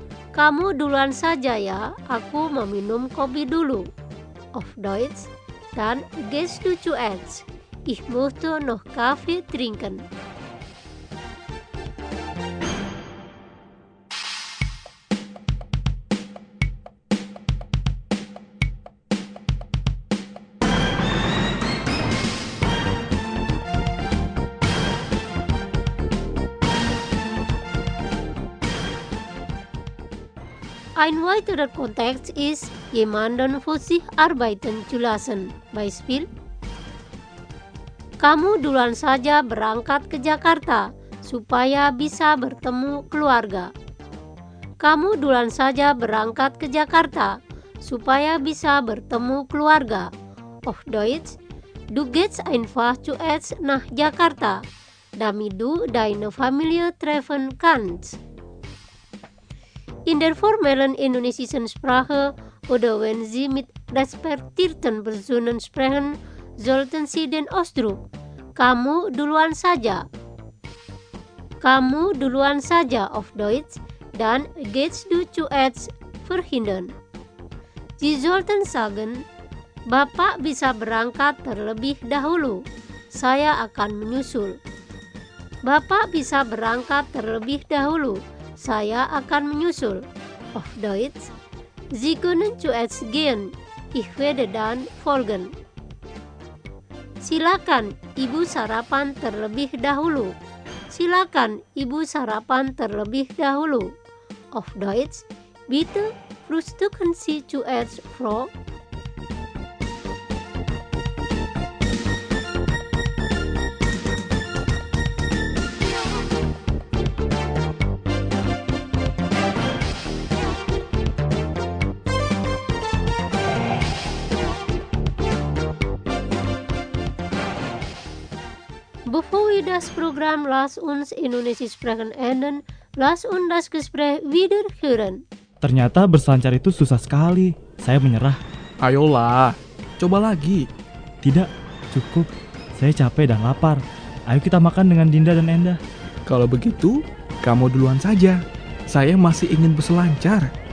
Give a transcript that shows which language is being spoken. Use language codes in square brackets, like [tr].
[id] Kamu duluan saja ya, aku mau minum kopi dulu. [de] Auf Deutsch, dann gehst du zuerst. Ich möchte noch Kaffee trinken. Ein weiterer Kontext ist, jemanden für sich arbeiten zu lassen. [id] Beispiel: Kamu duluan saja berangkat ke Jakarta supaya bisa bertemu keluarga. Kamu duluan saja berangkat ke Jakarta supaya bisa bertemu keluarga. [de] Auf Deutsch, du gehst einfach zuerst nach Jakarta, damit du deine Familie treffen kannst. In der formellen indonesischen Sprache oder wenn Sie mit respektierten Personen sprechen, sollten Sie den Ausdruck [id] kamu duluan saja. Kamu duluan saja [de] auf Deutsch dan gehst du zuerst verhindern. Sie sollten sagen, [id] Bapak bisa berangkat terlebih dahulu. Saya akan menyusul. Bapak bisa berangkat terlebih dahulu. Saya akan menyusul. [de] auf Deutsch. Sie können zuerst gehen. Ich werde dann folgen. [id] Silakan, Ibu sarapan terlebih dahulu. Silakan, Ibu sarapan terlebih dahulu. [de] Auf Deutsch. Bitte frühstücken Sie zuerst, Frau. Bevor wir das Programm Lass uns Indonesisch sprechen enden, lass uns das Gespräch wieder hören. [id] Ternyata berselancar itu susah sekali. Saya menyerah. Ayolah, coba lagi. Tidak, cukup. Saya capek dan lapar. Ayo kita makan dengan Dinda dan Enda. Kalau begitu, kamu duluan saja. Saya masih ingin berselancar.